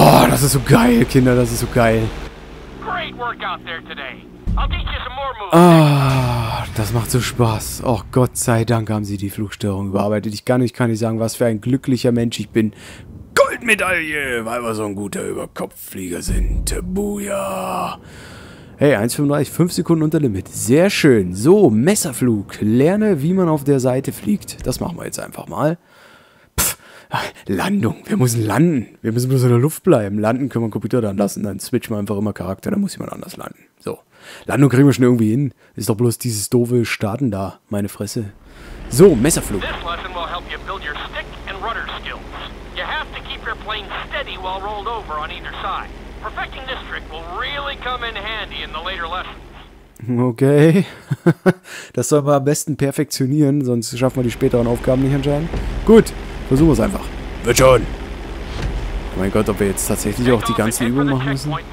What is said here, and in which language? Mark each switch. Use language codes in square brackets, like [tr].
[de] Das ist so geil, Kinder, das ist so geil. [en] Great work out there today. I'll teach you some more moves. [de] Das macht so Spaß. Och, Gott sei Dank haben sie die Flugstörung überarbeitet. Ich kann nicht sagen, was für ein glücklicher Mensch ich bin. Goldmedaille, weil wir so ein guter Überkopfflieger sind. Buja. Hey, 1,35, 5 Sekunden unter Limit. Sehr schön. So, Messerflug. Lerne, wie man auf der Seite fliegt. Das machen wir jetzt einfach mal. Landung. Wir müssen landen. Wir müssen bloß in der Luft bleiben. Landen können wir Computer dann lassen. Dann switchen wir einfach immer Charakter. Dann muss jemand anders landen. So. Landung kriegen wir schon irgendwie hin. Ist doch bloß dieses doofe Starten da. Meine Fresse. So, Messerflug. [en] This lesson will help you build your stick and rudder skills. You have to keep your plane steady while rolled over on either side. Perfecting this trick will really come in handy in the later lessons. Okay. [de] Das soll man am besten perfektionieren, sonst schaffen wir die späteren Aufgaben nicht anscheinend. Gut, versuchen wir es einfach. Wird schon. Oh mein Gott, ob wir jetzt tatsächlich auch die ganze Übung machen müssen.